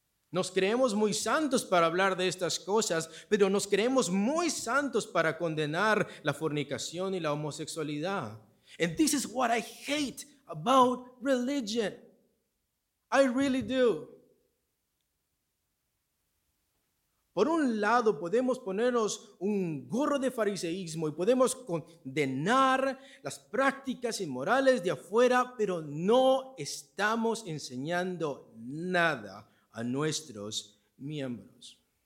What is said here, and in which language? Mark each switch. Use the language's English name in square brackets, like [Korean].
[Spanish] Nos creemos muy santos para hablar de estas cosas, pero nos creemos muy santos para condenar la fornicación y la homosexualidad. [English] And this is what I hate about religion. I really do. [Spanish] Por un lado, podemos ponernos un gorro de fariseísmo y podemos condenar las prácticas inmorales de afuera, pero no estamos enseñando nada a nuestros miembros.